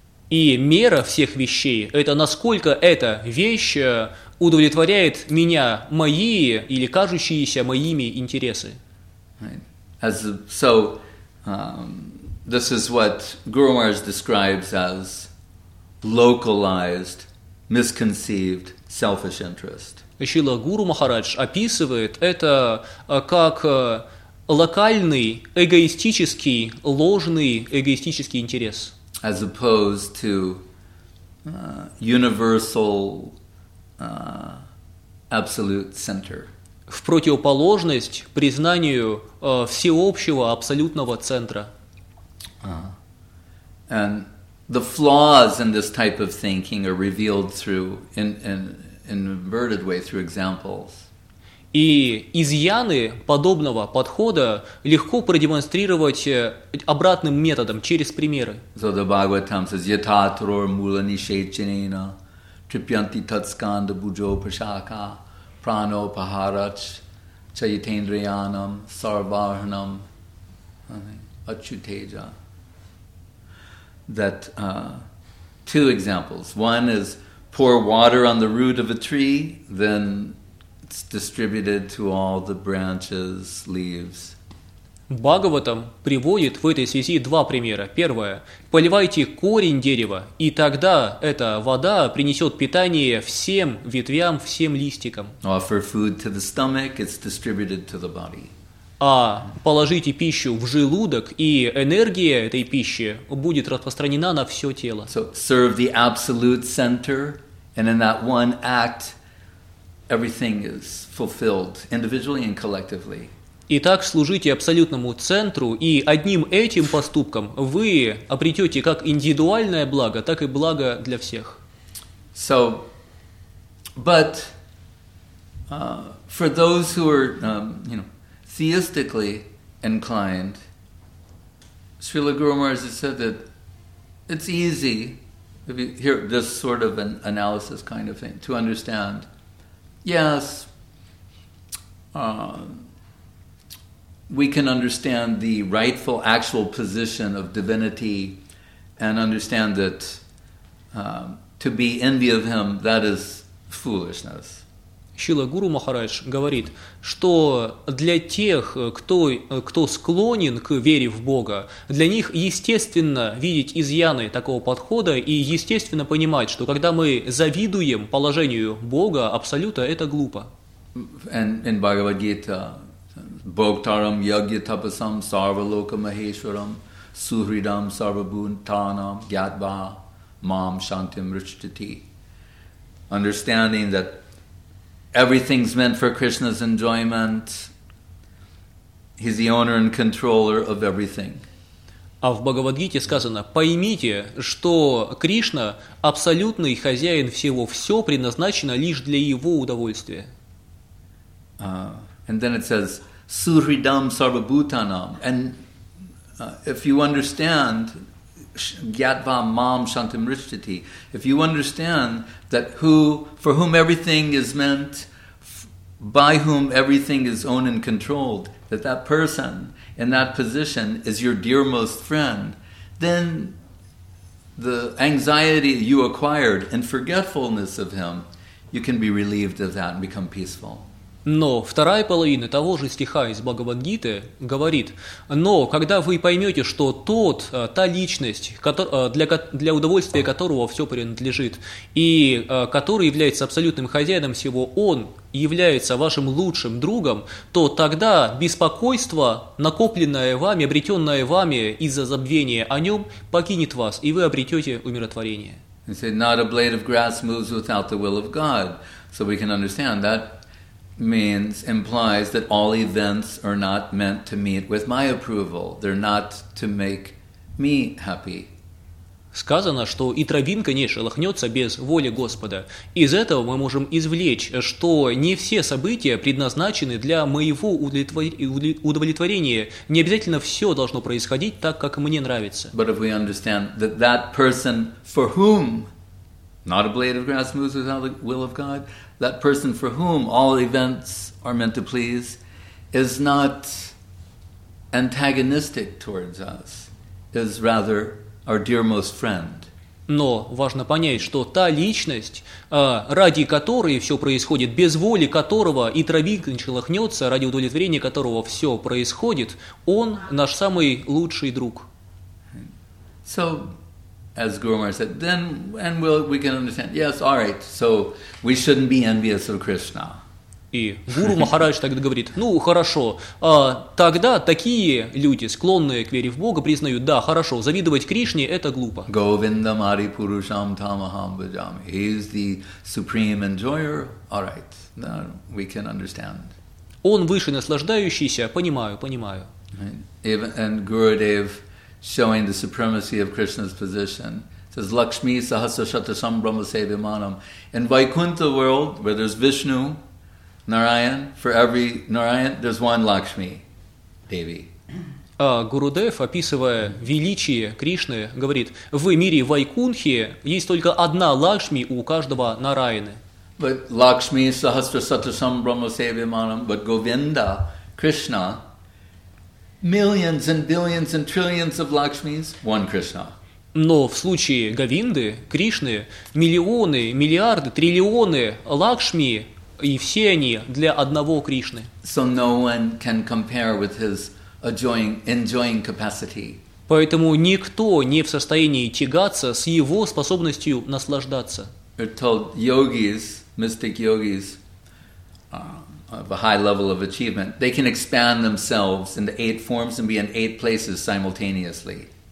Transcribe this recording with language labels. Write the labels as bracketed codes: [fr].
[ru] И мера всех вещей – это насколько эта вещь удовлетворяет меня, мои или кажущиеся моими интересы. [en] Right. As the, so, this is what Guru Maharaj describes as localized, misconceived, selfish interest. [ru] Шрила Гуру Махарадж описывает это как локальный, эгоистический, ложный эгоистический интерес. [en] As opposed to universal absolute center. [ru] В противоположность признанию всеобщего абсолютного центра. [en] And the flaws in this type of thinking are revealed through in inverted way through examples. [ru] И изъяны подобного подхода легко продемонстрировать обратным методом через примеры. [en] So the Bhagavatam says [sa] yatatro mula nishechinena. Tripyanti tatskanda bujo pashaka prano paharach chaitendriyanam sarvarnam achuteja. [en] That two examples. One is pour water on the root of a tree, then it's distributed to all the branches, leaves. [ru] Бхагаватам приводит в этой связи два примера. Первое. Поливайте корень дерева, и тогда эта вода принесет питание всем ветвям, всем листикам. [en] Offer food to the stomach, it's distributed to the body. [ru] А положите пищу в желудок, и энергия этой пищи будет распространена на все тело. [en] So serve the absolute center, and in that one act, everything is fulfilled individually and collectively. [ru] Итак, служите абсолютному центру, и одним этим поступком вы обретете как индивидуальное благо, так и благо для всех. [en] So, but for those who are, you know, theistically inclined, Srila Guru Maharaj has said that it's easy, if you hear this sort of an analysis kind of thing, to understand. Yes. We can understand the rightful, actual position of divinity and understand that to be envious of him, that is foolishness. [ru] Шрила Гуру Махарадж говорит, что для тех, кто склонен к вере в Бога, для них естественно видеть изъяны такого подхода и естественно понимать, что когда мы завидуем положению Бога, Абсолюта, это глупо. [sa] In Bhagavad-gita, Bhoktaram Yagya Tapasam Sarvaloka Maheshwaram Suhridam Sarvabhutanam Gyatva Mam Shantim Richtati. [en] Understanding that everything's meant for Krishna's enjoyment. He's the owner and controller of everything. [ru] А в Бхагавадгите сказано, поймите, что Кришна абсолютный хозяин всего, все предназначено лишь для его удовольствия. [en] And then it says [sa] Suhridam Sarvabhutanam. [en] And if you understand, [sa] Gyatva Mam Shantim Rishtati. [en] If you understand that who for whom everything is meant, by whom everything is owned and controlled, that that person in that position is your dearmost friend, then the anxiety you acquired and forgetfulness of him, you can be relieved of that and become peaceful. [ru] Но вторая половина того же стиха из Бхагавад-гиты говорит: «Но когда вы поймете, что тот, та личность, для удовольствия которого все принадлежит, и который является абсолютным хозяином всего, он является вашим лучшим другом, то тогда беспокойство, накопленное вами, обретенное вами из-за забвения о нем, покинет вас, и вы обретете умиротворение». [en] He said, «Not a blade of grass moves without the will of God». So we can understand that means, implies that all events are not meant to meet with my approval. They're not to make me happy. [ru] Сказано, что и травинка не шелохнется без воли Господа. Из этого мы можем извлечь, что не все события предназначены для моего удовлетворения. Не обязательно все должно происходить так, как мне нравится. [en] But if we understand that that person for whom not a blade of grass moves without the will of God, that person for whom all events are meant to please is not antagonistic towards us, is rather our dearmost friend. [ru] Но важно понять, что та личность, ради которой все происходит, без воли которого и травинка не шелохнется, ради удовлетворения которого все происходит, он наш самый лучший друг. [en] So, as Guru Maharaj said, then and we can understand. Yes, all right. So we shouldn't be envious of Krishna. [ru] И Гуру Махарадж тогда говорит: ну хорошо, тогда такие люди, склонные к вере в Бога, признают: да, хорошо, завидовать Кришне это глупо. [sa] Govinda Mari Purusham Tamaham Bhajami. [en] He is the supreme enjoyer. All right. Now we can understand. [ru] Он выше наслаждающийся. Понимаю. [en] And Gurudev, showing the supremacy of Krishna's position, it says [sa] Lakshmi Sahasra Shatasam Brahma Sevimanam. [en] In Vaikuntha world, where there's Vishnu, Narayan, for every Narayan, there's one Lakshmi, Devi. [ru] Гурудев, описывая величие Кришны, говорит: в мире Вайкунхе есть только одна Лакшми у каждого Нараяны. [en] But [sa] Lakshmi Sahasra Shatasam Brahma Sevimanam, [en] but Govinda, Krishna, millions and billions and trillions of Lakshmis, one Krishna. [ru] Но в случае Говинды, Кришны, миллионы, миллиарды, триллионы Лакшми, и все они для одного Кришны. [en] So no one can compare with his enjoying capacity. [ru] Поэтому никто не в состоянии тягаться с его способностью наслаждаться. [en] We're told yogis, mystic yogis, of a high level of achievement, they can expand themselves into eight forms and be in eight places simultaneously.